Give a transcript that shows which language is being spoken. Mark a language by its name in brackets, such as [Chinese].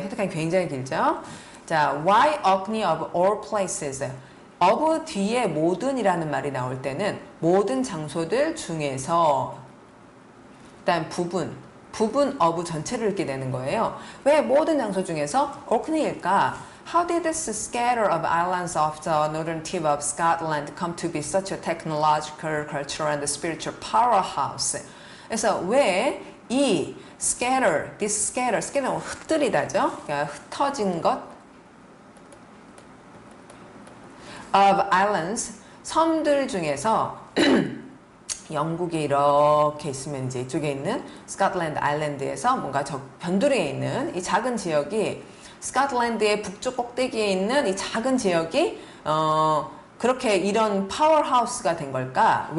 [Korean] 선택한 굉장히 길죠? 자, [English] why Ogni of all places? [Korean] of 뒤에 모든이라는 말이 나올 때는 모든 장소들 중에서 일단 부분. 부분 of 전체를 읽게 되는 거예요. 왜 모든 장소 중에서 Orkney일까? [English] How did this scatter of islands off the northern tip of Scotland come to be such a technological, cultural, and spiritual powerhouse? [Korean] 그래서 왜이 scatter, this scatter, scatter는 흩뜨리다죠? 그러니까 흩어진 것 of islands, 섬들 중에서 영국에 이렇게 있으면 이제 이쪽에 있는 스코틀랜드 아일랜드에서 뭔가 저 변두리에 있는 이 작은 지역이 스코틀랜드의 북쪽 꼭대기에 있는 이 작은 지역이 그렇게 이런 파워하우스가 된 걸까?